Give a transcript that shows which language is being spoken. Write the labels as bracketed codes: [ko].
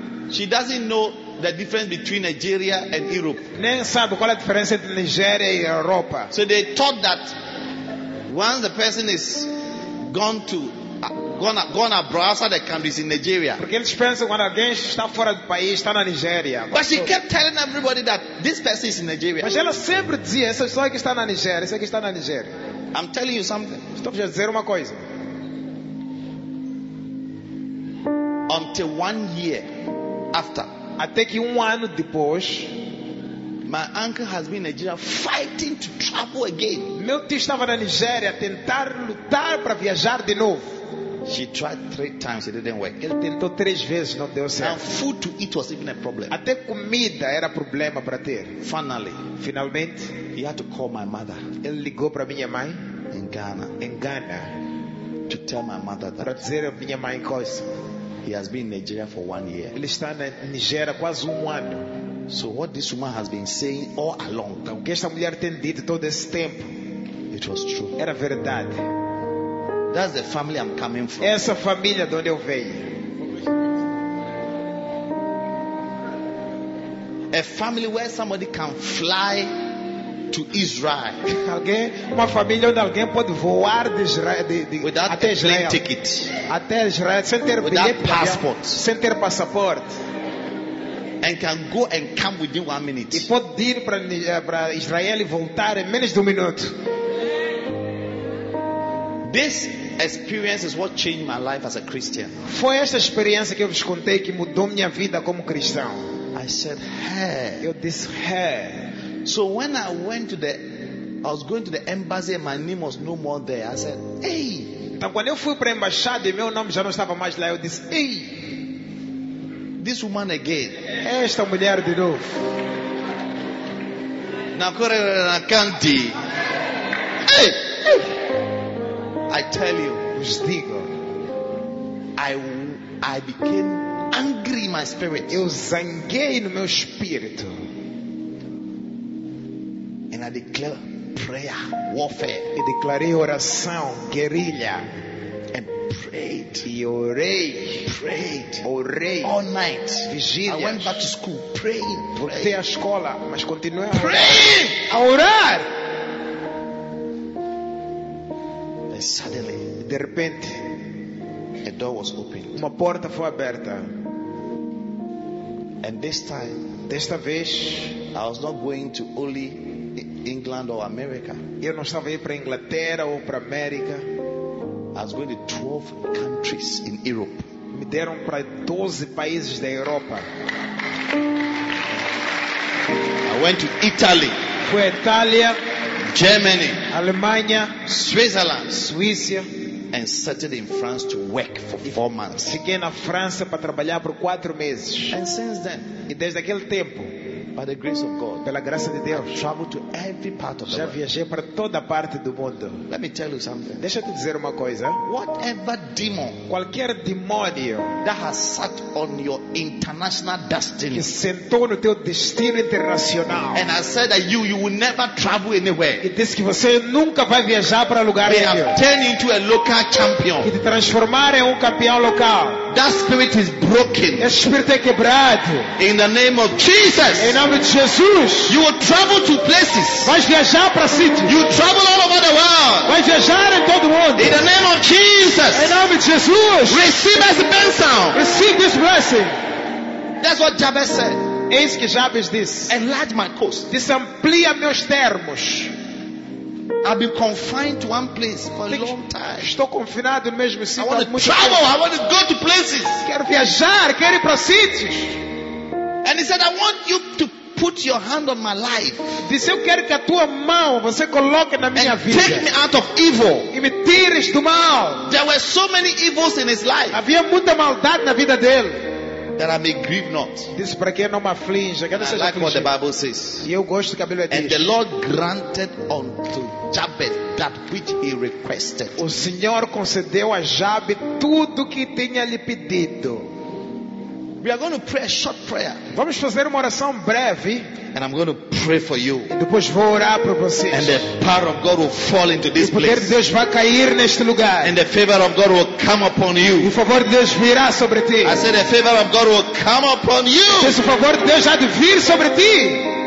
[en] She doesn't know the difference between Nigeria and Europe. [pt] Nem sabe qual é a diferença entre Nigéria e Europa. [en] So they thought that. Once the person is gone to gone abroad, outside the country, is in Nigeria. [pt] Porque eles pensam quando alguém está fora do país, está na Nigéria. [en] But she kept telling everybody that this person is in Nigeria. [pt] Mas ela sempre dizia, essa pessoa que está na Nigéria, essa que está na Nigéria. [en] I'm telling you something. [pt] Estou a dizer uma coisa. [en] Until 1 year after. [pt] Até que 1 ano depois. [en] My uncle has been in Nigeria fighting to travel again. [pt] Meu tio estava na Nigéria tentar lutar para viajar de novo. [en] She tried 3 times, it didn't work. [pt] Ele tentou 3 vezes, não deu certo. [en] Now food to eat was even a problem. [pt] Até comida era problema para ter. [en] Finally, [pt] finalmente, [en] he had to call my mother. [pt] Ele ligou para minha mãe em Ghana. Em Ghana, [en] to tell my mother that. [pt] Para dizer a minha mãe coisa. [en] He has been in Nigeria for 1 year. [pt] Ele está na Nigéria quase 1 ano. [en] So what this woman has been saying all along, [pt] o que esta mulher tem dito todo esse tempo, [en] it was true. [pt] Era verdade. [en] That's the family I'm coming from. [pt] Essa família de onde eu venho. [en] A family where somebody can fly to Israel. [pt] Alguém, uma família onde alguém pode voar de Israel, [en] without [pt] até Israel. [en] A plane ticket. [pt] Até Israel sem ter bilhete, passport. Sem ter passaporte. [en] And can go and come within 1 minute. [pt] E pode ir para Israel e voltar em menos de 1 minuto. [en] This experience is what changed my life as a Christian. [pt] Foi esta experiência que eu vos contei que mudou minha vida como cristão. [en] I said, hey. [pt] Eu disse, hey. [en] So when I went to the, I was going to the embassy and my name was no more there. I said, hey. [pt] Então quando eu fui para a embaixada e meu nome já não estava mais lá, eu disse, hey. [en] This woman again. [pt] Esta mulher de novo. Na correr na candy. [en] I tell you, [pt] vos digo, [en] I became angry in my spirit. [pt] Eu zanguei no meu espírito. [en] And I declare prayer, warfare. [pt] E declarei oração, guerrilha. [en] Prayed, [pt] orei, [en] all night, [pt] vigília. [en] I went back to school, praying. [pt] Voltei à escola, mas continuei [en] praying, [pt] a orar. [en] And suddenly, [pt] de repente, [en] a door was opened. [pt] Uma porta foi aberta. [en] And this time, [pt] desta vez, [en] I was not going to only England or America. [pt] Eu não estava indo para Inglaterra ou para América. [en] I was going to 12 countries in Europe. [pt] Me deram para 12 países da Europa. [en] I went to Italy. [pt] Fui a Itália. [en] Germany. [pt] Alemanha. [en] Switzerland. [pt] Suíça. [en] And settled in France to work for 4 months. [pt] Fiquei na França para trabalhar por 4 meses. [en] And since then, [pt] e desde aquele tempo, [en] by the grace of God, [pt] pela graça de Deus, [en] I traveled to every part of the world. [pt] Já viajei para toda parte do mundo. [en] Let me tell you something. [pt] Deixa eu te dizer uma coisa. [en] Whatever demon, [pt] qualquer demônio, [en] that has sat on your international destiny, [pt] que sentou no teu destino internacional, [en] and I said that you will never travel anywhere, [pt] e disse que você nunca vai viajar para lugar nenhum, [en] they have turned into a local champion, [pt] e te transformar em campeão local. [en] That spirit is broken. [pt] Esse espírito é quebrado. [en] In the name of Jesus. [pt] Em nome de Jesus. [en] You will travel to places. [pt] Vai viajar para sítios. [en] You travel all over the world. [pt] Vai viajar em todo mundo. [en] In the name of Jesus. [pt] Em nome de Jesus. [en] Receive this [pt] bênção. [en] Receive this blessing. That's what Jabez said. [pt] Eis que Jabez disse. [en] Enlarge my coast. [pt] Diz, amplia meus termos. [en] I've been confined to one place for a long time. [pt] Estou confinado no mesmo sítio. [en] I want to travel. I want to go to places. [pt] Quero viajar. Quero ir para sítios. [en] And he said, I want you to put your hand on my life. [pt] Disse, eu quero que a tua mão você coloque na minha [en] and [pt] vida. [en] Take me out of evil. [pt] E me tires do mal. [en] There were so many evils in his life. [pt] Havia muita maldade na vida dele. [en] That I may grieve not. [pt] Disse, para que eu não me aflinja. [en] I like What the Bible says. [pt] E eu gosto que a Bíblia diz. [en] And the Lord granted unto Jabez that which he requested. [pt] O Senhor concedeu a Jabez tudo que tinha lhe pedido. [en] We are going to pray a short prayer. [pt] Vamos fazer uma oração breve. [en] And I'm going to pray for you. [pt] E depois vou orar por vocês. [en] And the power of God will fall into this place. [pt] E o poder de Deus vai cair neste lugar. [en] And the favor of God will come upon you. [pt] E o favor de Deus virá sobre ti. [en] I said the favor of God will come upon you. [pt] E o favor de Deus há de vir sobre ti.